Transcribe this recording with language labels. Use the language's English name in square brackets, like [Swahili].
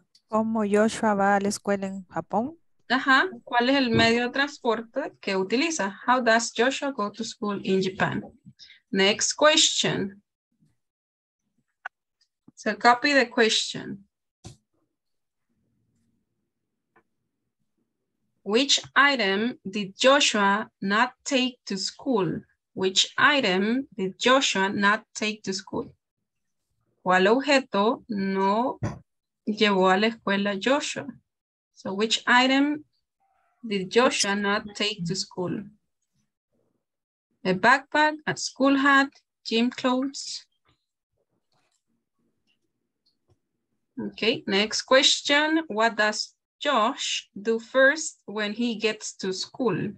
[Spanish] ¿Cómo Joshua va a la escuela en Japón? Ajá. ¿Cuál es el medio de transporte que utiliza? [English] How does Joshua go to school in Japan? Next question. So copy the question. Which item did Joshua not take to school? Which item did Joshua not take to school? [Spanish] ¿Cuál objeto no llevó a la escuela Joshua? [English] So which item did Joshua not take to school? A backpack, a school hat, gym clothes. Okay, next question. What does Josh do first when he gets to school?